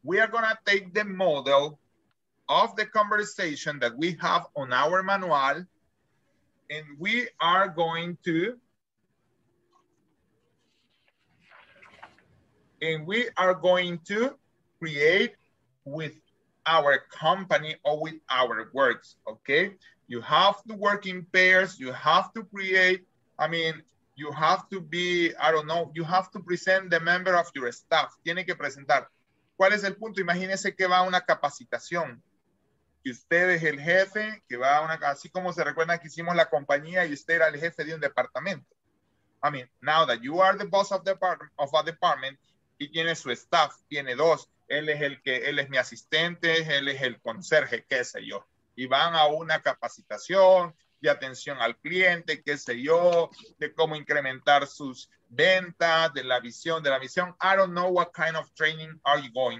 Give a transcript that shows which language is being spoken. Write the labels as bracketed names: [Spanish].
[English] We are gonna take the model of the conversation that we have on our manual, and we are going to create with our company or with our words, okay? You have to work in pairs. You have to create, I mean, you have to be, I don't know, you have to present the member of your staff. [Spanish] Tiene que presentar. ¿Cuál es el punto? Imagínese que va a una capacitación. Y usted es el jefe, que va a una, así como se recuerda que hicimos la compañía y usted era el jefe de un departamento. [English] I mean, now that you are the boss of a department, [Spanish] y tiene su staff, tiene dos. Él es mi asistente, él es el conserje, qué sé yo. Y van a una capacitación de atención al cliente, qué sé yo, de cómo incrementar sus ventas, de la visión. [English] I don't know what kind of training are you going.